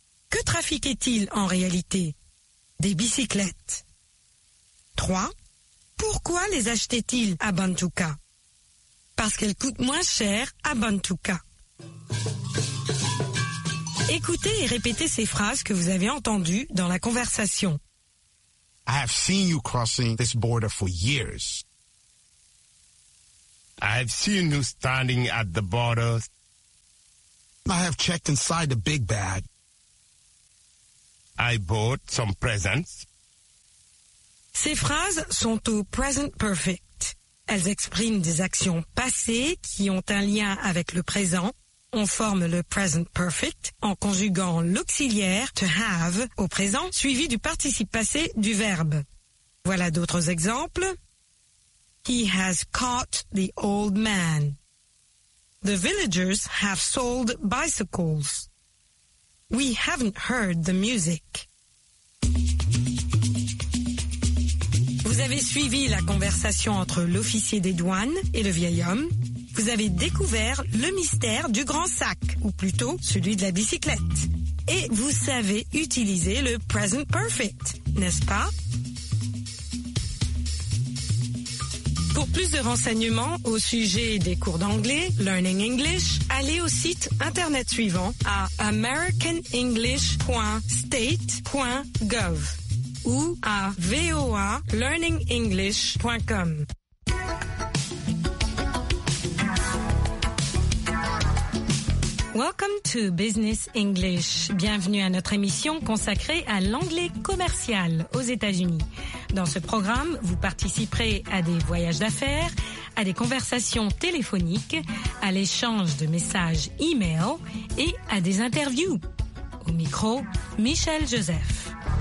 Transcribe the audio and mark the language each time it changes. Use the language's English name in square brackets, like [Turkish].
[French] Que trafiquait-il en réalité? Des bicyclettes. 3. Pourquoi les achetait-il à Bantuka? Parce qu'elles coûtent moins cher à Bantuka. Écoutez et répétez ces phrases que vous avez entendues dans la conversation. [English] I have seen you crossing this border for years. I've seen you standing at the border. I have checked inside the big bag. I bought some presents. [French] Ces phrases sont au present perfect. Elles expriment des actions passées qui ont un lien avec le présent. On forme le present perfect en conjuguant l'auxiliaire to have au présent suivi du participe passé du verbe. Voilà d'autres exemples. [English] He has caught the old man. The villagers have sold bicycles. We haven't heard the music. [French] Vous avez suivi la conversation entre l'officier des douanes et le vieil homme, vous avez découvert le mystère du grand sac, ou plutôt celui de la bicyclette. Et vous savez utiliser le present perfect, n'est-ce pas? Pour plus de renseignements au sujet des cours d'anglais, Learning English, allez au site internet suivant à americanenglish.state.gov ou à voalearningenglish.com. [English] Welcome to Business English. [French] Bienvenue à notre émission consacrée à l'anglais commercial aux États-Unis. Dans ce programme, vous participerez à des voyages d'affaires, à des conversations téléphoniques, à l'échange de messages e-mail et à des interviews. Au micro, Michel Joseph.